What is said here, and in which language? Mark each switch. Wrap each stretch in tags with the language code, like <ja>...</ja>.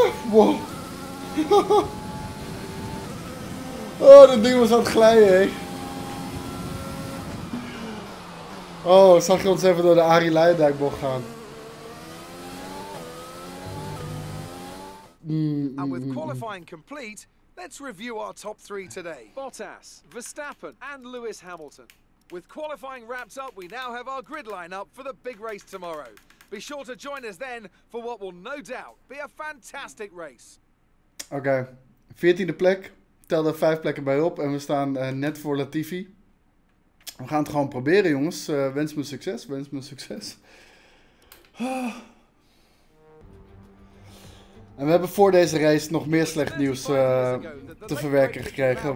<nl>Wow. Oh, dat ding was aan het glijden, hé. Oh, zag je ons even door de Arie Leijendijkbocht gaan?</nl> <en>And with qualifying complete, let's review our top 3 today. Bottas, Verstappen and Lewis Hamilton. With qualifying wrapped up, we now have our grid line-up for the big race tomorrow. Be sure to join us then for what will no doubt be a fantastic race.</en> <nl>Oké, 14e plek. Tel er 5 plekken bij op en we staan net voor Latifi. We gaan het gewoon proberen, jongens. Wens me succes. En we hebben voor deze race nog meer slecht nieuws te verwerken gekregen.</nl>